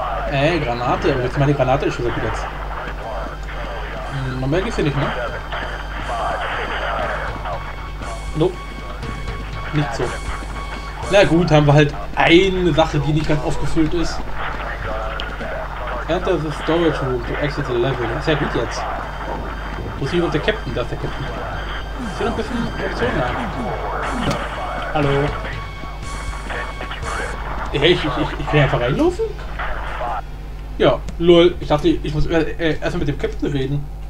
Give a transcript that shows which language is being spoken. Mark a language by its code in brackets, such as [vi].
[de] Ey, Granate. Jetzt meine Granate ist schon jetzt. Moment, gibt's hier nicht, ne? Nope. Nicht so. Na gut, haben wir halt eine Sache, die nicht ganz aufgefüllt ist. [en] Enter the storage room to exit the level. [de] Das ist ja gut jetzt. Wo ist hier noch der Captain? Da ist der Captain. Ist hier noch ein bisschen Option da? Hallo. Hey, ich kann einfach reinlaufen? Ja, lol. Ich dachte, ich muss erstmal mit dem Captain reden.